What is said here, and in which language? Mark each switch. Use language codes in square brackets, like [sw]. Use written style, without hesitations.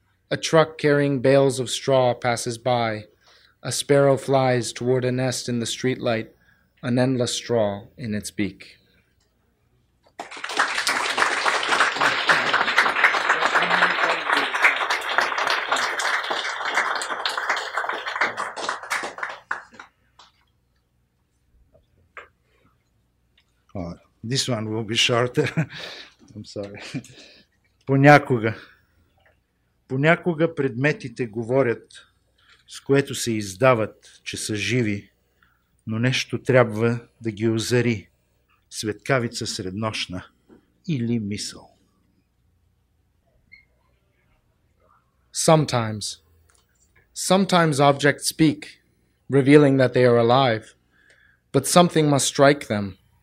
[en] A truck carrying bales of straw passes by. A sparrow flies toward a nest in the streetlight, an endless straw in its beak. Oh, this one will be shorter. I'm sorry. [bg] Понякога. Понякога предметите говорят, с което се издават, че са живи, но нещо трябва да ги озари. Светкавица среднощна или мисъл. [en] Sometimes. Sometimes objects speak, revealing that they are alive. But something must strike them.